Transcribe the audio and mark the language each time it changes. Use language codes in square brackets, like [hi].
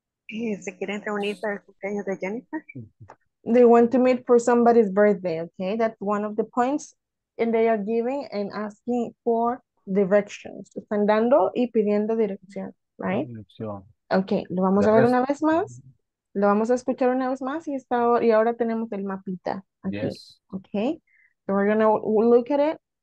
[es] ¿Se quieren reunir para el cumpleaños de Jennifer? [en] They want to meet for somebody's birthday, okay? That's one of the points. And they are giving and asking for directions. [es] Están dando y pidiendo dirección, right? Okay, lo vamos a ver una vez más. Lo vamos a escuchar una vez más y, está, y ahora tenemos el mapita. Aquí. [en] Yes. Okay, so we're going to look at it.